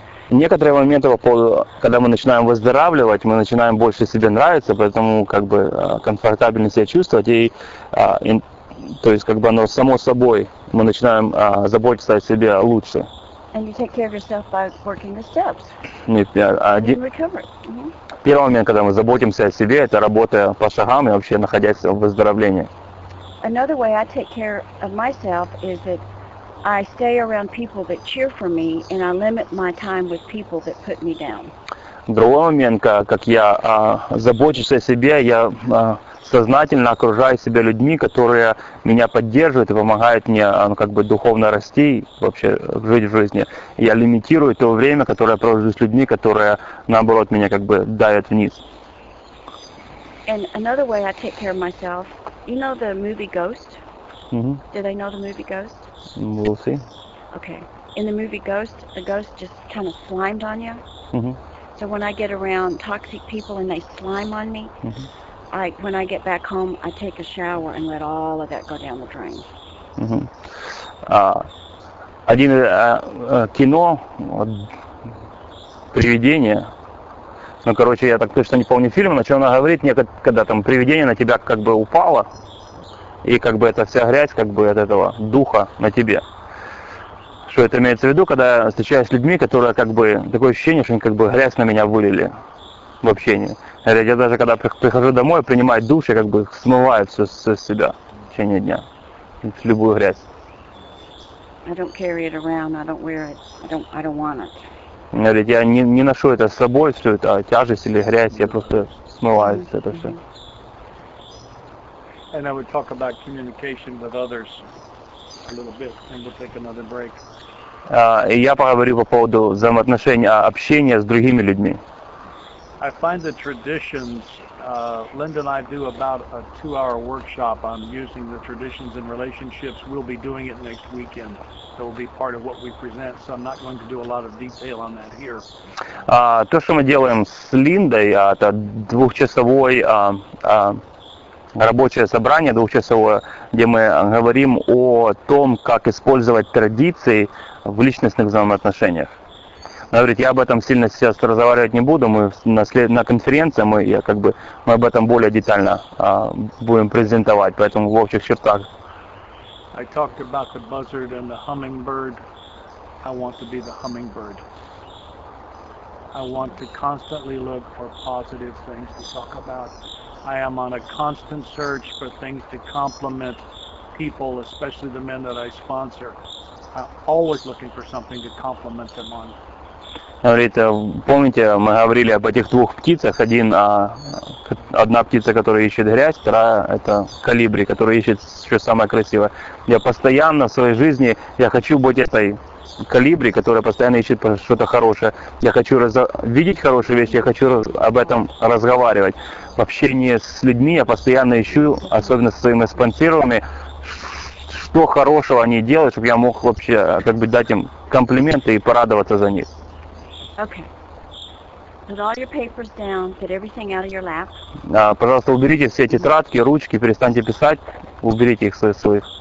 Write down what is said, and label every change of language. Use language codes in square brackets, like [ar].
[ru] Некоторые моменты, когда мы начинаем выздоравливать, мы начинаем больше себе нравиться, поэтому как бы комфортабельно себя чувствовать, то есть как бы оно само собой, мы начинаем заботиться о себе лучше. [en] And you take care of yourself by working the steps. [ru] Первый момент, когда мы заботимся о себе, это работая по шагам и вообще находясь в выздоровлении. [en] Another way I take care of myself is that I stay around people that cheer for me, and I limit my time with people that put me down. [ru] Другой момент, как я забочусь о себе, я сознательно окружаю себя людьми, которые меня поддерживают и помогают мне как бы духовно расти, вообще жить в жизни. Я лимитирую то время, которое провожу с людьми, которые наоборот меня как бы давят вниз. [en] And another way I take care of myself, you know the movie Ghost? Mm-hmm. Do they know the movie Ghost? We'll see. Okay. In the movie Ghost, the ghost just kind of slimed on you. Mm-hmm. So when I get around toxic people and they slime on me, mm-hmm. I when I get back home, I take a shower and let all of that go down the drain. [ru] Mm-hmm. Один кино привидение. Ну, короче, я так точно не помню фильм, но что она говорит, когда там привидение на тебя как бы упало. И как бы эта вся грязь как бы от этого духа на тебе. Что это имеется в виду, когда я встречаюсь с людьми, которые как бы такое ощущение, что они как бы грязь на меня вылили в общении. Я даже когда прихожу домой, принимаю душ, я как бы смываю все с себя в течение дня. Любую грязь. [en] I don't carry it around, I don't wear it, I don't want it. [ru] Говорит, я не ношу это с собой, всю эту тяжесть или грязь, я просто смываю mm-hmm. это все. [en] And I would talk about communication with others a little bit, and we'll take another break. [ru] И я поговорю по поводу взаимоотношений, общения с другими людьми. [en] I find the traditions, Linda and I do about a two-hour workshop on using the traditions in relationships. We'll be doing it next weekend. It will be part of what we present, so I'm not going to do a lot of detail on that here. [ru] То, что мы делаем с Линдой, это двухчасовой рабочее собрание двухчасовое, где мы говорим о том, как использовать традиции в личностных взаимоотношениях. Она говорит, я об этом сильно сейчас разговаривать не буду, мы на конференции мы об этом более детально будем презентовать, поэтому в общих чертах. [en] I talked about the buzzard and the hummingbird. I want to be the hummingbird. I want to constantly look for positive things to talk about. I am on a constant search for things to compliment people, especially the men that I sponsor. I'm always looking for something to compliment them on. [ru] Говорит, помните, мы говорили об этих двух птицах. Одна птица, которая ищет грязь, вторая – это колибри, которая ищет все самое красивое. Я постоянно в своей жизни, я хочу быть этой колибри, которая постоянно ищет что-то хорошее. Я хочу видеть хорошие вещи, я хочу об этом разговаривать. В общении с людьми я постоянно ищу, особенно со своими спонсорами, что хорошего они делают, чтобы я мог вообще как бы дать им комплименты и порадоваться за них. [en] Okay. Put all your papers down, get everything out of your lap. [ru] Пожалуйста, уберите все тетрадки, ручки, перестаньте писать, уберите их своих.